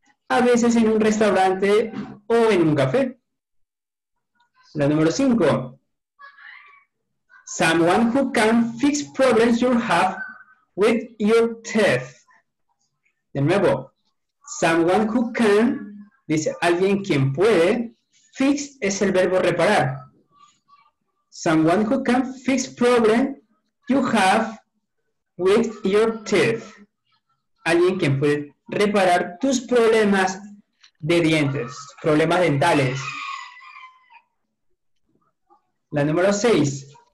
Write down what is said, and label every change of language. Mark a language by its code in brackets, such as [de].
[es] A veces en un restaurante o en un café. La número 5. [en] Someone who can fix problems you have with your teeth. De nuevo. [es] Someone who can, dice alguien quien puede. [en] Fix es el verbo reparar. Someone who can fix problems you have with your teeth. [es] Alguien quien puede reparar tus problemas de dientes, problemas dentales. La número 6.